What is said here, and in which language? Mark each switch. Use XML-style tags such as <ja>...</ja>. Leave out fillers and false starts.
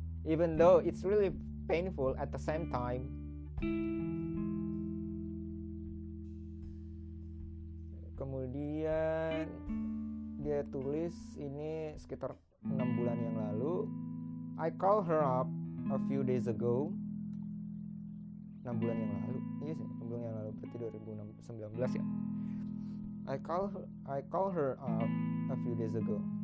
<en>Even though it's really painful at the same time.</en> <id>Kemudian dia tulis ini sekitar 6 bulan yang lalu.</id> <en>I call her up a few days ago.</en> <id>6 bulan yang lalu. Iya sih, 6 bulan yang lalu berarti 2019 ya.</id> <en>I call her up a few days ago.</en>